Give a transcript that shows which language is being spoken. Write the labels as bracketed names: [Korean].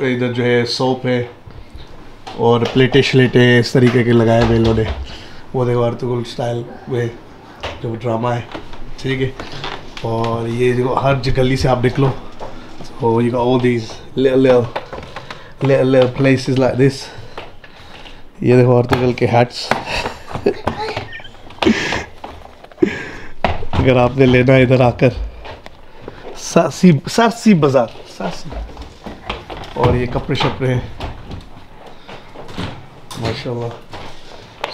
[Hindi] इधर जो है सोप है और प्लेटें श्लेटें इस तरीके के लगाए हुए इन्होंने, वो देखो अर्तुगरुल स्टाइल वे जो ड्रामा है ठीक है। और ये देखो हर गली से आप निकलो [English] so you got all these little places like this। [Hindi] ये देखो अर्तुगरुल के हैट्स अगर आपने लेना है इधर आकर सारसी बाजार सारसी। और ये कपड़े शपड़े हैं माशाल्लाह।